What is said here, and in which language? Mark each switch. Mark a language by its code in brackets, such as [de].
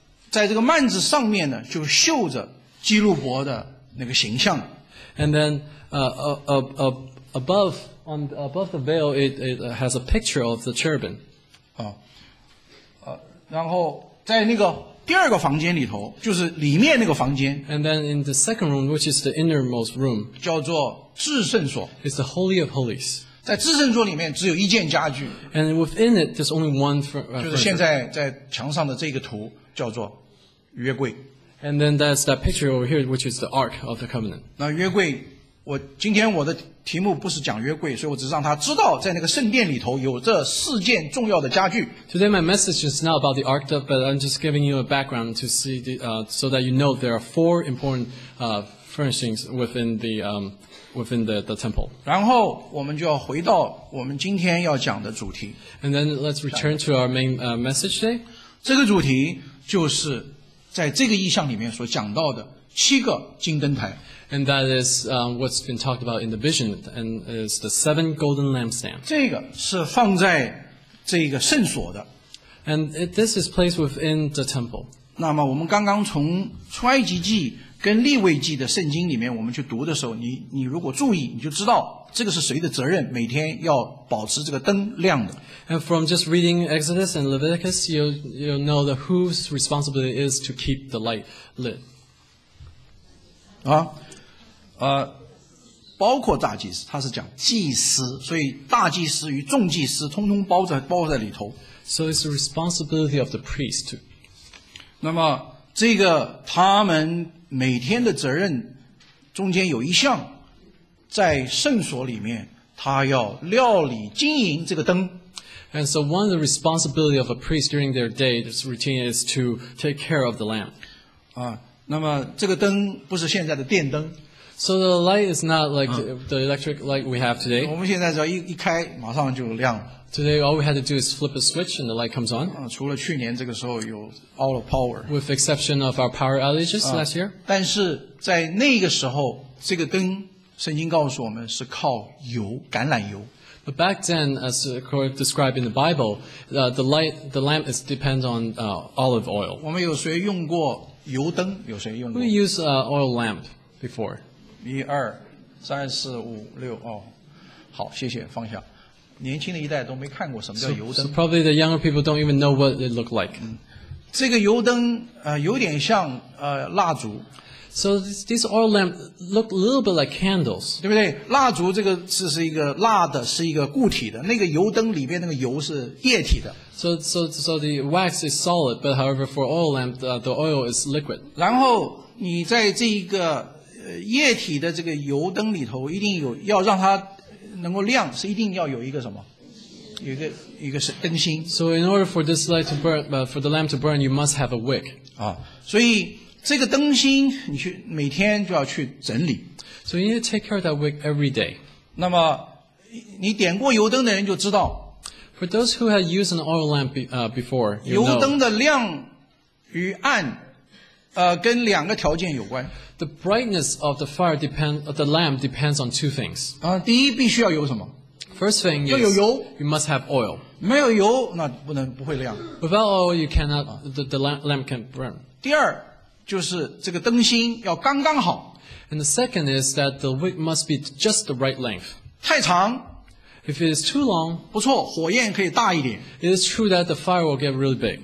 [zh] 在这个幔子上面呢，就绣着基路伯的那个形象。 [en] And then above the veil it has a picture of the cherubim. [zh] 然后在那个第二个房间里头，就是里面那个房间。 [en] And then in the second room, which is the innermost room, [zh] 叫做至圣所。 [en] It's the Holy of Holies. [zh] 在至圣所里面只有一件家具。 [en] And within it, there's only one furniture. [zh] 就是现在在墙上的这个图叫做约柜。 [en] And then that's that picture over here, which is the Ark of the Covenant. [zh] 那约柜，我今天我的题目不是讲约柜，所以我只让他知道在那个圣殿里头有这四件重要的家具。 [en] Today my message is not about the ark, but I'm just giving you a background to see the, so that you know there are four important furnishings within the temple. [zh] 然后我们就要回到我们今天要讲的主题。 [en] And then let's return to our main message today. [zh] 这个主题就是在这个意象里面所讲到的七个金灯台。 [en] And that is what's been talked about in the vision, and is the seven golden lampstands. [zh] 这个是放在这个圣所的。 [en] And this is placed within the temple. [zh] 那么我们刚刚从出埃及记跟利未记的圣经里面我们去读的时候，你如果注意，你就知道这个是谁的责任，每天要保持这个灯亮的。 [en] And from just reading Exodus and Leviticus, you'll know that whose responsibility is to keep the light lit. 啊。 [zh] 包括大祭司，他是讲祭司，所以大祭司与众祭司通通包在里头。 [en] So it's the responsibility of the priest. [zh] 那么这个他们每天的责任，中间有一项，在圣所里面，他要料理经营这个灯。 [en] And so one of the responsibility of a priest during their day, this routine is to take care of the lamp. [zh] 啊，那么这个灯不是现在的电灯。 [en] So the light is not like the electric light we have today. [zh] 我们现在只要一开，马上就亮了。 [en] Today, all we had to do is flip a switch and the light comes on. [zh] 除了去年这个时候有 [en] out of power. With exception of our power outages last year. [zh] 但是在那个时候，这个灯，圣经告诉我们是靠油，橄榄油。 [en] But back then, as described in the Bible, the lamp is depends on olive oil. [zh] 我们有谁用过油灯？有谁用过 [en] ？We use oil lamp before. [zh] 一二三四五六哦，好，谢谢，放下。年轻的一代都没看过什么叫油灯。 [en] So probably the younger people don't even know what it looked like.、 [zh] 这个油灯有点像蜡烛。 [en] So these oil lamps look a little bit like candles. [zh] 对不对？蜡烛这个是一个蜡的，是一个固体的。那个油灯里边那个油是液体的。 [en] So the wax is solid, but however for oil lamp, the oil is liquid. [zh] 然后你在这一个液体的这个油灯里头一定有要让它能够亮是一定要有一个什么一个是灯芯 [en] So in order for this light to burn, for the lamp to burn, you must have a wick. [zh] 啊，所以这个灯芯你去每天就要去整理 [en] So you need to take care of that wick every day. [zh] 那么你点过油灯的人就知道 [en] For those who had used an oil lamp before, you know. [zh] 油灯的亮与暗跟两个条件有关。 [en] The brightness of the fire the lamp depends on two things. [zh] 第一必须要有什么 [en] ？First thing is [zh] 要有油。 [en] You must have oil. [zh] 没有油那不会亮。 [en] Without oil, you cannot the lamp can't burn. [zh] 第二就是这个灯芯要刚刚好。 [en] And the second is that the wick must be just the right length. [zh] 太长。 [en] If it is too long, [zh] 不错，火焰可以大一点。 [en] It is true that the fire will get really big.